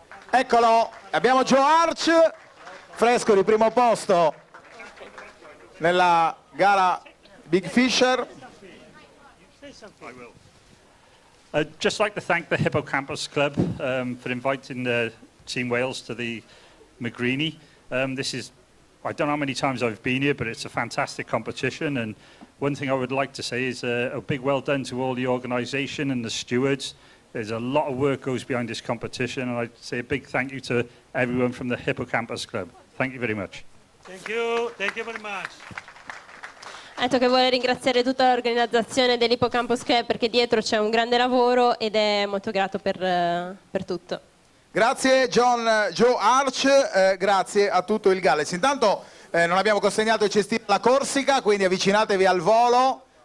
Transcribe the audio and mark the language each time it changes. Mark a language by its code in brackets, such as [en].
[it] Eccolo, abbiamo Joe Arch, fresco di primo posto nella gara Big Fisher. [en] I'd just like to thank the Hippocampus Club for inviting the Team Wales to the Magrini. This is, I don't know how many times I've been here, but it's a fantastic competition. And one thing I would like to say is a big well done to all the organisation and the stewards. There's a lot of work goes behind this competition and I'd say a big thank you to everyone from the Hippocampus Club. Thank you very much. Thank you very much. [it] Ecco che vorrei ringraziare tutta l'organizzazione dell'Hippocampus Club perché dietro c'è un grande lavoro ed è molto grato per tutto. Grazie John, Joe Arch, grazie a tutto il Galles. Intanto non abbiamo consegnato il cestino alla Corsica, quindi avvicinatevi al volo.